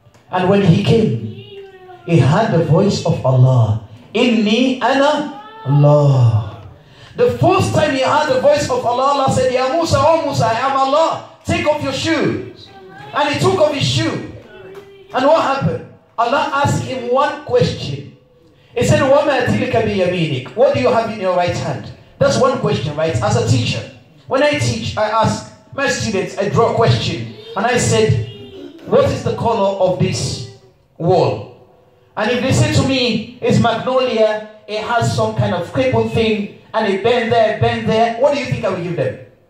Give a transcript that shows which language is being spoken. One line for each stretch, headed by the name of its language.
English: And when he came, he heard the voice of Allah.
Arabic: Inni ana Allah.
English: The first time he heard the voice of Allah, Allah said,
Arabic: Ya Musa,
English: oh Musa, I am Allah. Take off your shoes. And he took off his shoe. And what happened? Allah asked him one question. He said,
Arabic: وَمَا تِلِكَ بِيَمِينِكَ.
English: What do you have in your right hand? That's one question, right? As a teacher, when I teach, I ask my students, I draw a question. And I said, what is the color of this wall? And if they say to me, it's magnolia, it has some kind of crippled thing, and it bend there, what do you think I will give them?